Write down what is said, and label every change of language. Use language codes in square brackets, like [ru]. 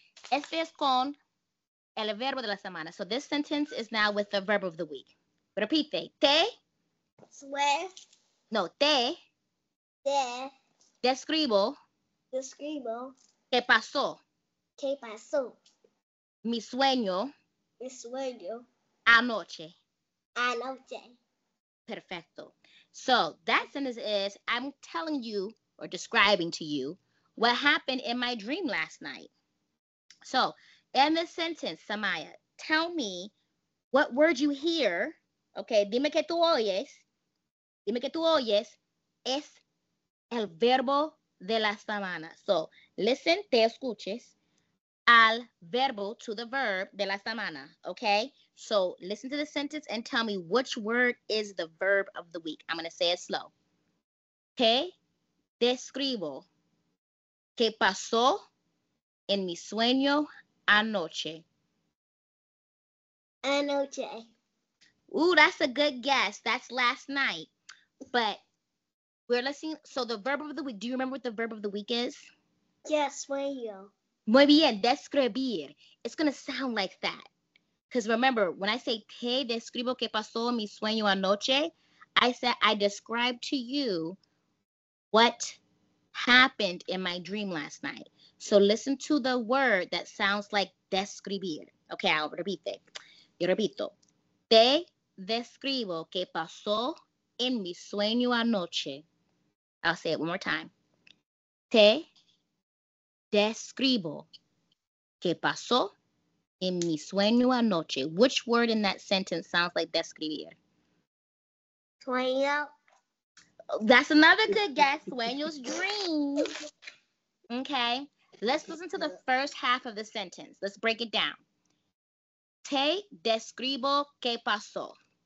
[es] Este es con el verbo de la semana. [en] So this sentence is now with the verb of the week. [es] Repite. Te. [en] Swear. [es] No, te. Te. Describo. Describo. ¿Qué pasó? ¿Qué pasó? Mi sueño. Mi sueño. Anoche. Anoche. Perfecto. [en] So that sentence is, I'm telling you or describing to you what happened in my dream last night. So in this sentence, Samaya, tell me what word you hear. [es] Okay, dime que tú oyes. Dime que tú oyes. Es el verbo de la semana. [en] So listen, [es] te escuches al verbo, [en] to the verb [es] de la semana. [en] Okay. So listen to the sentence and tell me which word is the verb of the week. I'm going to say it slow. [es] Te describo qué pasó en mi sueño anoche. Anoche. [en] Ooh, that's a good guess. That's last night. But we're listening. So the verb of the week, do you remember what the verb of the week is? [es] Yes, sueño. Muy bien, [en] describir. It's going to sound like that. Because remember, when I say [es] te describo que pasó mi sueño anoche, [en] I said I described to you what happened in my dream last night. So listen to the word that sounds like describir. Okay, I'll repeat it. [es] Yo repito. Te describo que pasó en mi sueño anoche. [en] I'll say it one more time. [es] Te describo que pasó en mi sueño anoche. [en] Which word in that sentence sounds like describir? [es] Sueño. [en] That's another good guess. Sueño's dream. Okay. Let's listen to the first half of the sentence. Let's break it down. [es] Te describo qué pasó.